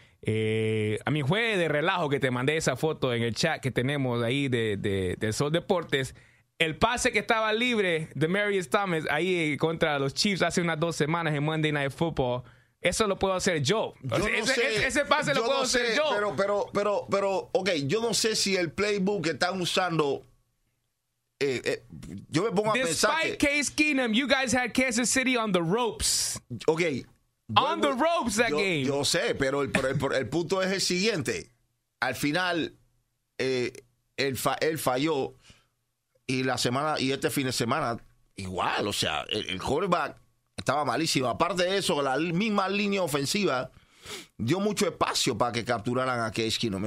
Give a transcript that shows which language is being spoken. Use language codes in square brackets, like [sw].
[es] A mi juez de relajo que te mandé esa foto en el chat que tenemos ahí de Sol Deportes, el pase que estaba libre de Demaryius Thomas ahí contra los Chiefs hace unas dos semanas en Monday Night Football, eso lo puedo hacer yo. Ese pase lo puedo hacer yo. Pero, ok, yo no sé si el playbook que están usando... yo me pongo a pensar que... [en] Despite Case Keenum, you guys had Kansas City on the ropes. Ok. On the ropes that game. [es] Yo sé, pero el punto es el siguiente. Al final, él falló. Y la semana y este fin de semana, igual, o sea, el quarterback estaba malísimo. Aparte de eso, la misma línea ofensiva dio mucho espacio para que capturaran a Case Keenum.